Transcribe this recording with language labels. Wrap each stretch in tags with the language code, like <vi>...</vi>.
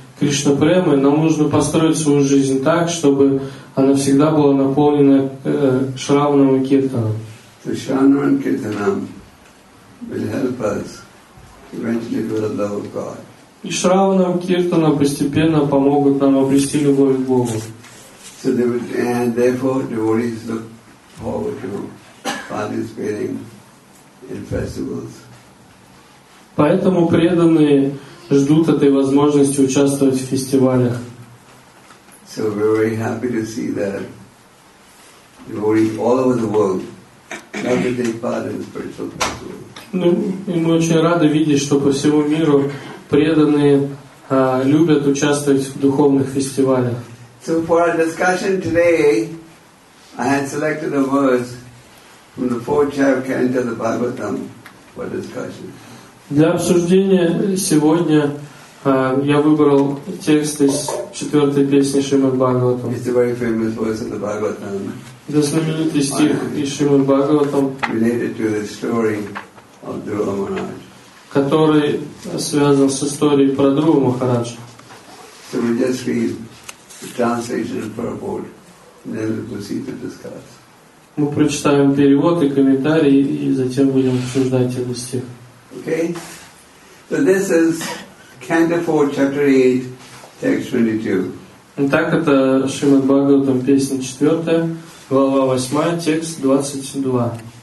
<ru>Кришна Премы, нам нужно построить свою жизнь так, чтобы она всегда была наполнена Шраванам и Киртанам.</ru> <en>Шраванам и Киртанам will help us eventually to the love of God.</en> <ru>И Шраванам и Киртанам постепенно помогут нам обрести любовь к Богу.</ru> <en>So they will, and therefore devotees look forward to participating in festivals.</en> <ru>Поэтому преданные ждут этой возможности участвовать в фестивалях.</ru> <en>So we're very happy to see that devotees all over the world want to take part in spiritual festivals.</en> <ru>Ну, и мы очень рады видеть, что по всему миру преданные любят участвовать в духовных фестивалях.</ru> <en>So for our discussion today, I had selected a verse from the fourth chapter of the Bhagavatam for discussion.</en> <ru>Для обсуждения сегодня я выбрал текст из четвертой песни Шримад-Бхагаватам.</ru> <en>It's a very famous verse in the Bhagavatam.</en> <ru>Это знаменитый стих из Шримад-Бхагаватам.</ru> <en>Related to the story of Dhruva Maharaj.</en> <ru>Который связан с историей про Дхрува Махараджа.</ru> <en>So we just read the translation of Prabhupada, and then we proceed to discuss.</en> <ru>Мы прочитаем перевод и комментарий, и затем будем обсуждать этот стих.</ru> <en>Okay, so this is Canto 4, Chapter 8, Text 22.</en> <ru>Итак, это Шримад Бхагаватам, песня 4, глава 8, текст 22.</ru>